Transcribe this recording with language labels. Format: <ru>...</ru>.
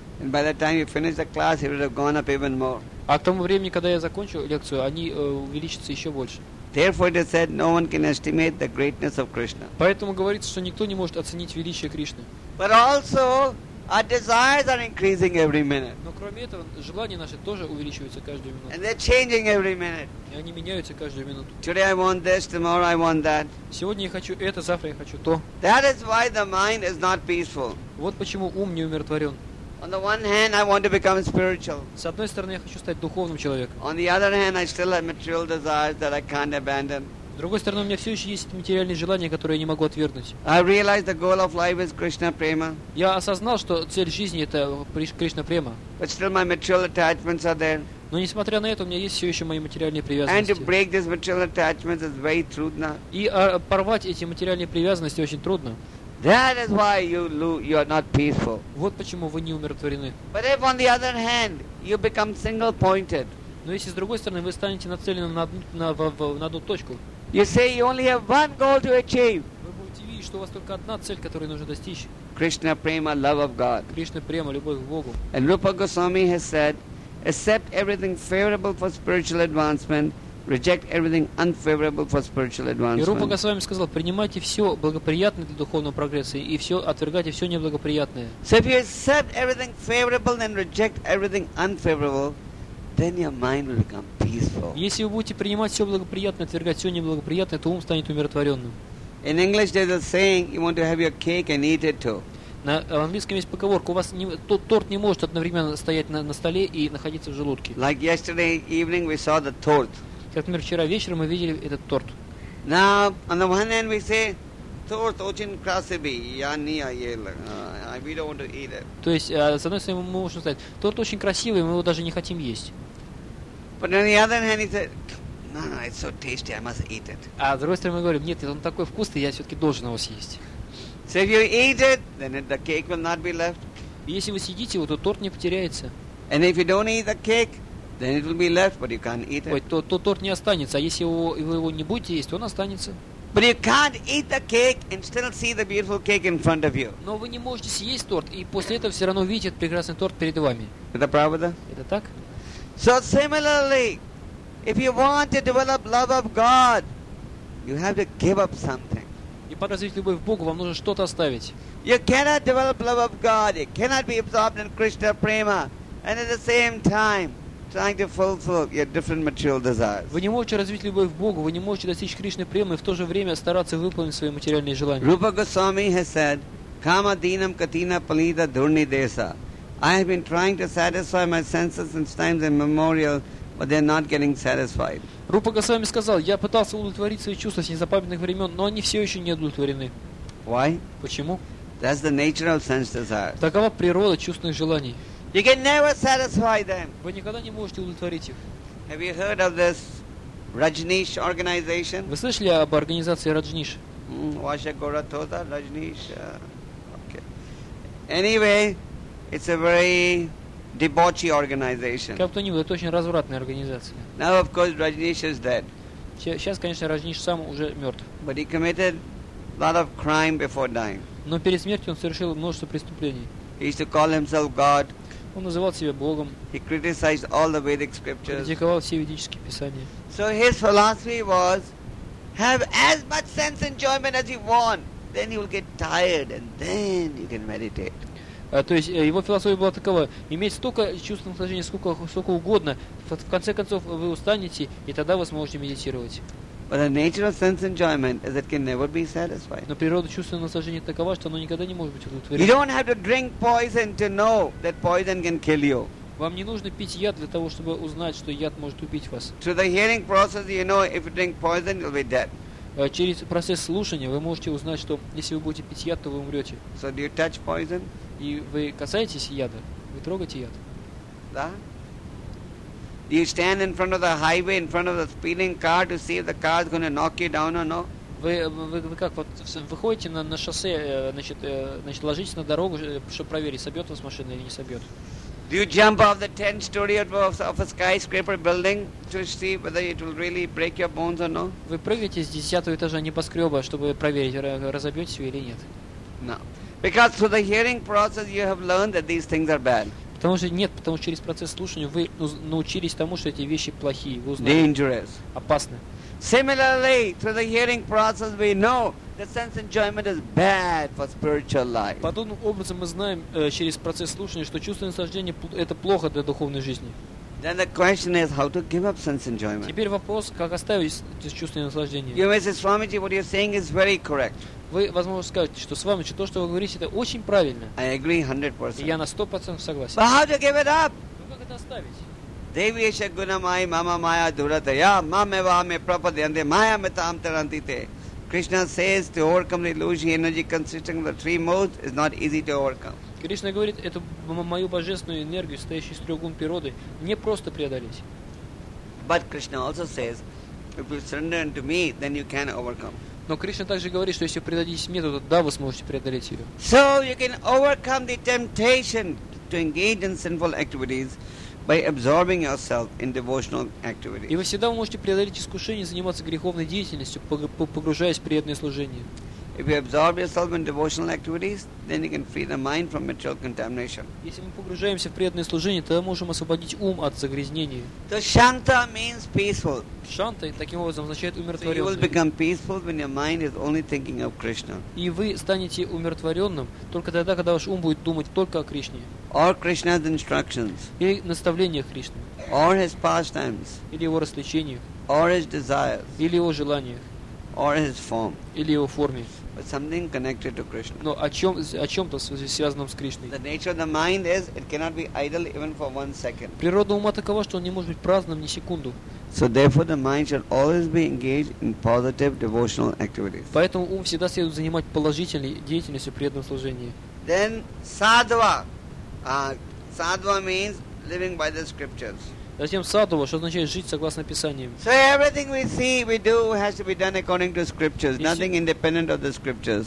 <en>And by the time you finish the class, it would have gone up even more.</en> <ru>А к тому времени, когда я закончу лекцию, они увеличатся еще больше.</ru> <en>Therefore, it is said no one can estimate the greatness of Krishna.</en> <ru>Поэтому говорится, что никто не может оценить величие Кришны.</ru> <en>But also, our desires are increasing every minute.</en> <ru>Но кроме этого, желания наши тоже увеличиваются каждую минуту.</ru> <en>And they're changing every minute.</en> <ru>И они меняются каждую минуту.</ru> <en>Today I want this, tomorrow I want that.</en> <ru>Сегодня я хочу это, завтра я хочу то.</ru> <en>That is why the mind is not peaceful.</en> <ru>Вот почему ум не умиротворен.</ru> <en>On the one hand, I want to become spiritual.</en> <ru>С одной стороны, я хочу стать духовным человеком.</ru> <en>On the other hand, I still have material desires that I can't abandon.</en> <ru>С другой стороны, у меня все еще есть материальные желания, которые я не могу отвергнуть.</ru> <en>I realize the goal of life is Krishna prema.</en> <ru>Я осознал, что цель жизни это Кришна према.</ru> <en>But still, my material attachments are there.</en> <ru>Но несмотря на это, у меня есть все еще мои материальные привязанности.</ru> <en>And to break these material attachments is very</en> <ru>трудно. И порвать эти материальные привязанности очень трудно.</ru> <en>That is why you are not peaceful.</en> <ru>Вот почему вы не умиротворены.</ru> <en>But if on the other hand you become single-pointed.</en> <ru>Но если с другой стороны вы станете нацелены на одну точку.</ru> <en>You say you only have one goal to achieve.</en> <ru>Вы будете видеть, что у вас только одна цель, которую нужно достичь.</ru> <en>Krishna prema, love of God.</en> <ru>Кришна према, любовь к Богу.</ru> <en>And Rupa Goswami has said, accept everything favorable for spiritual advancement. Reject everything unfavorable for spiritual advancement.</en> <ru>И Рупа Госвами сказал, принимайте все благоприятное для духовного прогресса и все, отвергайте все неблагоприятное.</ru> <en>So if you accept everything favorable and reject everything unfavorable, then your mind will become peaceful.</en> <ru>Если вы будете принимать все благоприятное, отвергать все неблагоприятное, то ум станет умиротворенным.</ru> <en>In English there's a saying, you want to have your cake and eat it too.</en> <ru>На английском есть поговорка, у вас торт не может одновременно стоять на столе и находиться в желудке.</ru> <en>Like yesterday evening we saw the torte.</en> <ru>Как, например, вчера вечером мы видели этот торт.</ru> <en>Now, on the one hand, we say,</en> <ru>торт очень красивый, я не ел,</ru> <en>we don't want to eat it.</en> <ru>То есть, с одной стороны, мы можем сказать, торт очень красивый, мы его даже не хотим есть.</ru> <en>But on the other hand, he said, no, it's so tasty, I must eat it.</en> <ru>А с другой стороны, мы говорим, нет, он такой вкусный, я все-таки должен его съесть.</ru> <en>So if you eat it, then the cake will not be left.</en> <ru>Если вы съедите его, то торт не потеряется.</ru> <en>And if you don't eat the cake, then it will be left, but you can't eat it.</en> <ru>Ой, то торт не останется, а если вы его не будете есть, то он останется.</ru> <en>But you can't eat the cake and still see the beautiful cake in front of you.</en> <ru>Но вы не можете съесть торт и после этого все равно видеть прекрасный торт перед вами. Это правда? Это так?</ru> <en>So similarly, if you want to develop love of God, you have to give up something.</en> <ru>И по развитию любовь к Богу вам нужно что-то оставить.</ru> <en>You cannot develop love of God. You cannot be absorbed in Krishna prema, and at the same time trying to fulfill your different material desires.</en> <ru>Вы не можете развить любовь к Богу, вы не можете достичь Кришны премы и в то же время стараться выполнить свои материальные желания.</ru> <en>Rupa Goswami has said,</en> <sa>Kama dinam katina palita dhurni desa.</sa> <en>I have been trying to satisfy my senses since times immemorial, but they are not getting satisfied.</en> <ru>Rupa Goswami сказал, я пытался удовлетворить свои чувства с незапамятных времен, но они все еще не удовлетворены.</ru> <en>Why?</en> <ru>Почему?</ru> <en>That's the nature of sense desires.</en> <ru>Такова природа чувственных желаний.</ru> <en>You can never satisfy them.</en> <ru>Вы никогда не можете удовлетворить их.</ru> <en>Have you heard of this Rajneesh organization?</en> <ru>Вы слышали об организации Rajneesh? Ваша гора тоже Rajneesh.</ru> <en>Okay. Anyway, it's a very debauchee organization.</en> <ru>Как то ни было, это очень развратная организация.</ru> <en>Now, of course, Rajneesh is dead.</en> <ru>Сейчас, конечно, Rajneesh сам уже мертв.</ru> <en>But he committed a lot of crime before dying.</en> <ru>Но перед смертью он совершил множество преступлений.</ru> <en>He used to call himself God.</en> <ru>Он называл себя Богом.</ru> <en>He criticized all the Vedic scriptures.</en> <ru>Критиковал все ведические писания.</ru> <en>So his philosophy was, have as much sense enjoyment as you want, then you will get tired and then you can meditate.</en> <ru>То есть его философия была такова: иметь столько чувственного наслаждения, сколько угодно, в конце концов вы устанете и тогда вы сможете медитировать.</ru> <en>But the nature of sense enjoyment is that it can never be satisfied.</en> <ru>Но природа чувственного наслаждения такова, что оно никогда не может быть удовлетворено.</ru> <en>You don't have to drink poison to know that poison can kill you.</en> <ru>Вам не нужно пить яд для того, чтобы узнать, что яд может убить вас.</ru> <en>Through the hearing process, you know if you drink poison, you'll be dead.</en> <ru>Через процесс слушания вы можете узнать, что если вы будете пить яд, то вы умрете.</ru> <en>So do you touch poison?</en> <ru>И вы касаетесь яда? Вы трогаете яд? Da?</ru> <en>Do you stand in front of the highway, in front of the speeding car to see if the car is going to knock you down or no?</en> <ru>Вы как, вот выходите на шоссе, значит, ложитесь на дорогу, чтобы проверить, собьет вас машина или не собьет?</ru> <en>Do you jump off the 10-story of a skyscraper building to see whether it will really break your bones or no?</en> <ru>Вы прыгаете с 10-го этажа небоскреба, чтобы проверить, разобьетесь вы или нет?</ru> <en>No. Because through the hearing process you have learned that these things are bad.</en> <ru>Потому что нет, потому что через процесс слушания вы научились тому, что эти вещи плохие, вы узнали.</ru> <en>Dangerous.</en> <ru>Опасны.</ru> <en>Similarly, through the hearing process, we know that sense enjoyment is bad for spiritual life.</en> <ru>Подобным образом мы знаем через процесс слушания, что чувство наслаждения это плохо для духовной жизни.</ru> <en>Then the question is how to give up sense enjoyment.</en> <ru>Теперь вопрос, как оставить чувство наслаждения.</ru> <en>You may say, Swamiji, what you're saying is very correct.</en> <ru>Вы, возможно, скажете, что Свамичи, то, что вы говорите, это очень правильно.</ru> <en>I agree 100%.</en> <ru>Я на 100% согласен.</ru> <en>But how to give it up?</en> <ru>Ну как это оставить?</ru> <sa>Devyesha gunamai mama maya duratya mameva me prapadyante maya mitam tarantite.</sa> <en>Krishna says to overcome the illusory energy consisting of the three modes is not easy to overcome.</en> <ru>Кришна говорит, эту мою божественную энергию, состоящую из трех гун природы, не просто преодолеть.</ru> <en>But Krishna also says, if you surrender unto me, then you can overcome.</en> <ru>Но Кришна также говорит, что если вы предадитесь мне, то да, вы сможете преодолеть ее.</ru> <en>So you can overcome the temptation to engage in sinful activities by absorbing yourself in devotional activity.</en> <ru>И вы всегда можете преодолеть искушение заниматься греховной деятельностью, погружаясь в преданное служение.</ru> <en>If you absorb yourself in devotional activities, then you can free the mind from material contamination.</en> <ru>Если мы погружаемся в преданное служение, тогда можем освободить ум от загрязнения.</ru> <en>The shanta means peaceful.</en> <ru>Шанта таким образом означает умиротворённый.</ru> <en>So you will become peaceful when your mind is only thinking of Krishna.</en> <ru>И вы станете умиротворённым только тогда, когда ваш ум будет думать только о Кришне. Or Krishna's instructions. Или наставления Кришны. Or his pastimes. Или его развлечениях. Or his desires. Или его желаниях. Or his form. Или его форме. But something connected to Krishna. Но о чем-то связанном с Кришной. The nature of the mind is it cannot be idle even for one second. Природа ума такова, что он не может быть праздным ни секунду. So therefore the mind should always be engaged in positive devotional activities. Поэтому ум всегда следует занимать положительной деятельностью при этом служении.</ru> <en>Then sadhva. Sadhva means living by the scriptures.</en> <ru>Затем садхва, что означает жить согласно Писаниям.</ru> <en>So everything we see, we do has to be done according to scriptures, nothing independent of the scriptures.</en>